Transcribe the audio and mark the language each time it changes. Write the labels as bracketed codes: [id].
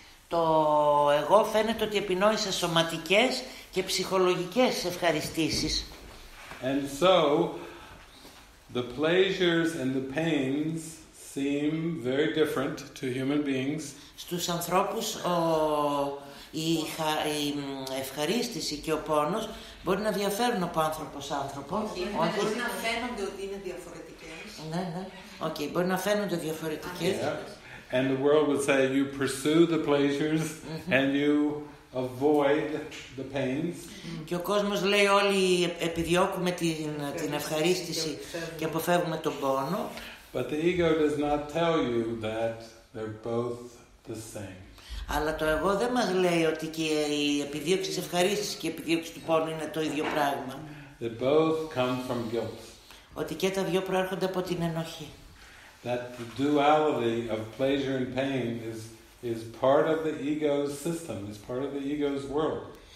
[el] Το εγώ φαίνεται ότι επινόησε σωματικές και ψυχολογικές ευχαριστήσεις. [en] And so the pleasures and the pains seem very different to human beings. [el] Στους ανθρώπους η ευχαρίστηση και ο πόνος μπορεί να διαφέρουν από άνθρωπο σε άνθρωπο. Όχι, μπορεί να φαίνονται ότι είναι διαφορετικές. Ναι, ναι. Okay, μπορεί να φαίνονται διαφορετικές. [en] And the world would say you pursue the pleasures and you avoid the pains. [el] Και ο κόσμος λέει όλοι επιδιώκουμε την ευχαρίστηση και αποφεύγουμε τον πόνο. [en] But the ego does not tell you that they're both the same. [el] Αλλά το εγώ δεν μας λέει ότι και η επιδίωξη της ευχαρίστησης και η επιδίωξη του πόνου είναι το ίδιο πράγμα. [en] They both come from guilt. [el] Ότι και τα δύο προέρχονται από την ενοχή. [en] That the duality of pleasure and pain is part of the ego's system, is part of the ego's world.